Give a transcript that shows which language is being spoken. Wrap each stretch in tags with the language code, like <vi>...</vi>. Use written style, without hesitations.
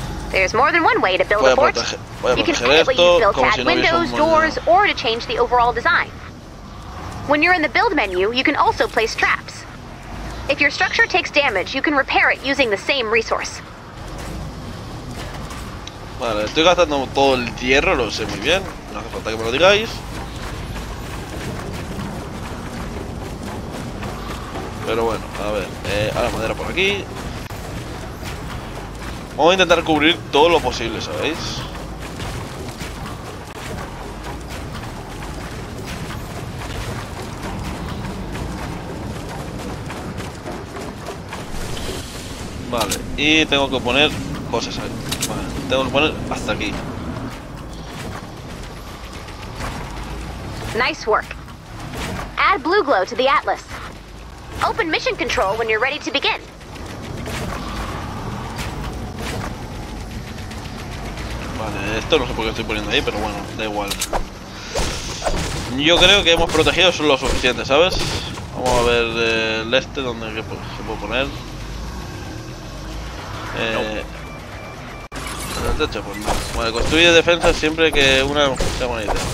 <en>There's more than one way to build a fort. You can pick what you've built, add windows, doors, or to change the overall design. When you're in the build menu, you can also place traps. If your structure takes damage, you can repair it using the same resource.</en> <es>Vale, estoy gastando todo el hierro, lo sé muy bien. No hace falta que me lo digáis. Pero bueno, a ver, ahora madera por aquí. Vamos a intentar cubrir todo lo posible, ¿sabéis? Vale, y tengo que poner cosas ahí. Vale, tengo que poner hasta aquí.</es> <en>Nice work. Add blue glow to the atlas. Open mission control when you're ready to begin.</en> <es>Vale, esto no sé por qué estoy poniendo ahí, pero bueno, da igual. Yo creo que hemos protegido eso lo suficiente, ¿sabes? Vamos a ver el este donde se puedo poner. No. El techo, pues no. Vale, construye defensa siempre que una sea bonita.</es>